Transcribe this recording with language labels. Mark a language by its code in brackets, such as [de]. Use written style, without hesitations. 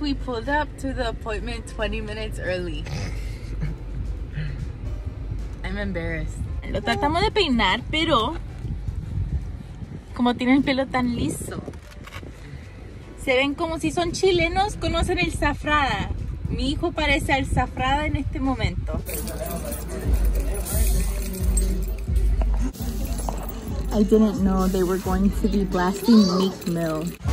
[en] We pulled up to the appointment 20 minutes early. I'm embarrassed. [es] Lo tratamos de peinar, pero como tiene el pelo tan liso. Se ven como si son chilenos, conocen el zafrada. Mi hijo parece al zafrada en este momento. [en] I didn't know they were going to be blasting Meek Mill.